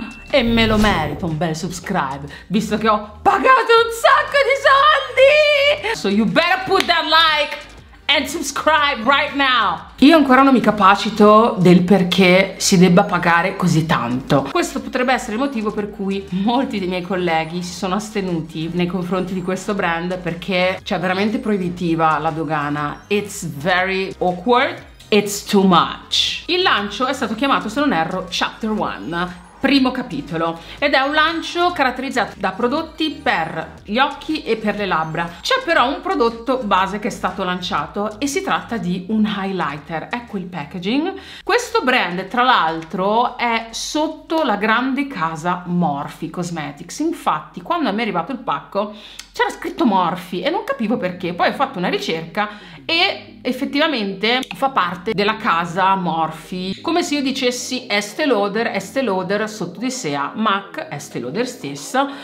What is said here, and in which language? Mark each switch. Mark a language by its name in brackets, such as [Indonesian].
[Italian] E me lo merito un bel subscribe, visto che ho pagato un sacco di soldi! [English] So you better put that like and subscribe right now! [Italian] Io ancora non mi capacito del perché si debba pagare così tanto. Questo potrebbe essere il motivo per cui molti dei miei colleghi si sono astenuti nei confronti di questo brand, perché c'è veramente proibitiva la dogana. [English] It's very awkward, it's too much. [Italian] Il lancio è stato chiamato, se non erro, Chapter 1. Primo capitolo, ed è un lancio caratterizzato da prodotti per gli occhi e per le labbra. C'è però un prodotto base che è stato lanciato e si tratta di un highlighter, ecco il packaging. Questo brand tra l'altro è sotto la grande casa Morphe Cosmetics, infatti quando mi è arrivato il pacco c'era scritto Morphe e non capivo perché, poi ho fatto una ricerca e effettivamente fa parte della casa Morphe, come se io dicessi Estée Lauder sotto di sé a MAC, Estée Lauder stessa.